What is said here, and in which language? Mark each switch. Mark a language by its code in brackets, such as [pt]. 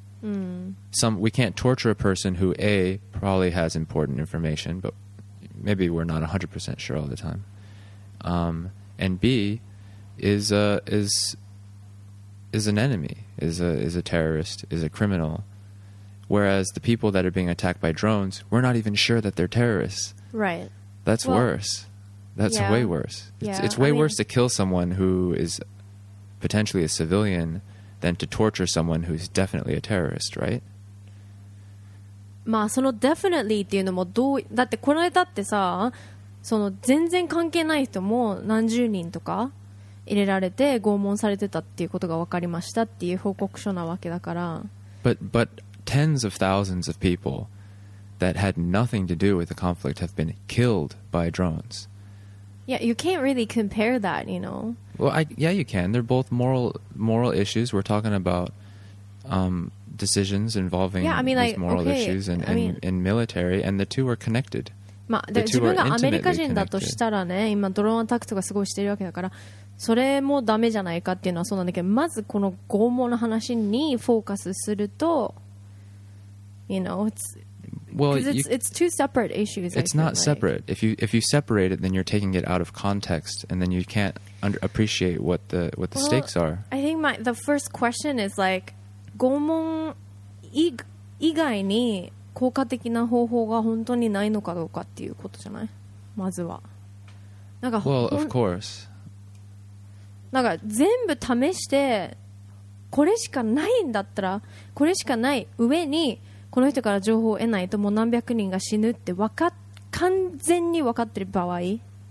[en] We can't torture a person who A, probably has important information, but maybe we're not 100% sure all the time, and B is an enemy, is a terrorist, is a criminal, whereas the people that are being attacked by drones, we're not even sure that they're terrorists. Right. That's worse. That's way worse. It's way worse to kill someone who is potentially a civilianthan to torture someone who's definitely a terrorist, right? [ja] まあその definitely っていうのもどう、だってこれだってさ、その全然関係ない人も何十人とか入れられて拷問されてたっていうことが分かりましたっていう報告書なわけだから。 [en] But tens of thousands of people that had nothing to do with the conflict have been killed by drones. Yeah, you can't really compare that, you know. Well, you can. They're both moral issues. We're talking about decisions involving moral issues and military, and the two are connected. [ja] まあ、自分がアメリカ人だとしたらね、今ドローンアタックとかすごいしてるわけだから、それもダメじゃないかっていうのはそうなんだけど、まずこの拷問の話にフォーカスすると、 [en] you know, it's two separate issues. It's not separate. If you separate it, then you're taking it out of context, and then you can't appreciate what the stakes are. I think the first question is like, [ja] 拷問以外に効果的な方法が本当にないのかどうかっていうことじゃない？まずは。なんか [en] Well, of course. [ja] なんか全部試してこれしかないんだったら、これしかない上にこの人から情報を得ないともう何百人が死ぬって完全に分かってる場合。